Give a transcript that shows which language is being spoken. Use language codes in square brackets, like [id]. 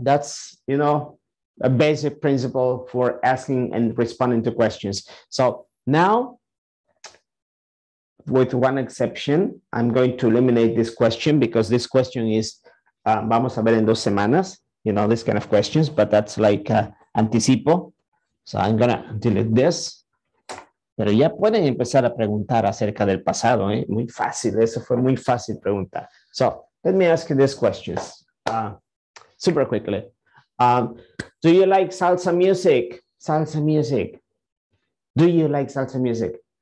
[en] That's, you know, a basic principle for asking and responding to questions. So now, with one exception, I'm going to eliminate this question because this question is, [es] vamos a ver en dos semanas, [en] you know, this kind of questions, but that's like anticipo. So I'm gonna delete this. [es] Pero ya pueden empezar a preguntar acerca del pasado, ¿eh? Muy fácil, eso fue muy fácil preguntar. [en] So, let me ask you these questions, super quickly. Do you like salsa music? Salsa music. Do you like salsa music?